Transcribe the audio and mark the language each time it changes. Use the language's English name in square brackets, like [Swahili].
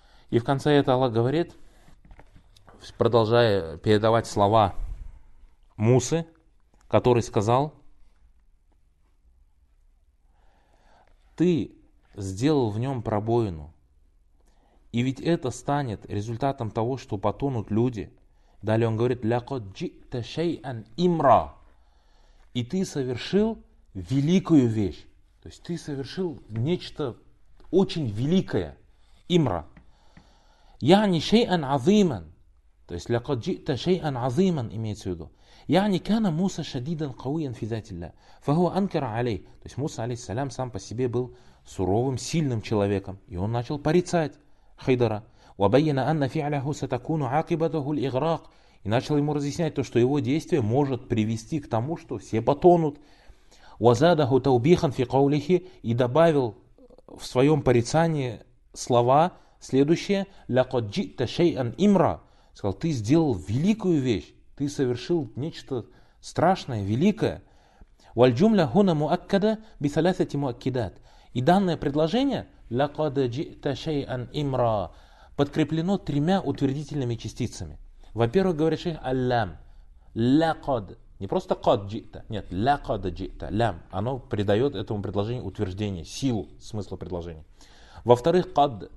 [Russian] И в конце это Аллах говорит, продолжая передавать слова Мусы, который сказал, ты сделал в нем пробоину, и ведь это станет результатом того, что потонут люди. Далее он говорит, [Arabic] لَقَدْ جِئْتَ شَيْئًا إِمْرًا. [Russian] И ты совершил великую вещь. То есть ты совершил нечто очень великое. [Arabic] Имра. يَعْنِ شَيْئًا عَظِيمًا. [Russian] То есть [Arabic] لَقَدْ جِئْتَ شَيْئًا عَظِيمًا [Russian] имеется в виду. [Arabic] يَعْنِ كَانَ مُوسَ شَدِيدًا قَوِيًا فِي ذَاتِ اللَّهِ فَهُوَ أَنْكَرَ عَلَيْهِ. [Russian] То есть Муса алейхиссалям сам по себе был суровым, сильным человеком. И он начал порицать Хайдара. [Arabic] وَبَيَّنَ أَنَّ فِعْلَهُ سَتَكُونُ عَاقِبَتُهُ الْإِغْرَاقُ. [Russian] И начал ему разъяснять то, что его действие может привести к тому, что все потонут. [Arabic] وَزَادَهُ تَوْبِيخًا فِي قَوْلِهِ. [Russian] И добавил в своем порицании слова следующие. [Arabic] لَقَدْ جِئْتَ شَيْئًا إِمْرًا. [Russian] Сказал, ты сделал великую вещь. Ты совершил нечто страшное, великое. [Arabic] والجملة هنا مؤكدة بثلاثة مؤكدات. [Russian] И данное предложение [Arabic] لقد جئت شيئا إمرا [Russian] подкреплено тремя утвердительными частицами. Во-первых, говорит шейх аллам. Лакад. Не просто кад джита. Нет, лакад джита. Лям. Оно придает этому предложению утверждение, силу, смысла предложения. Во-вторых, кад.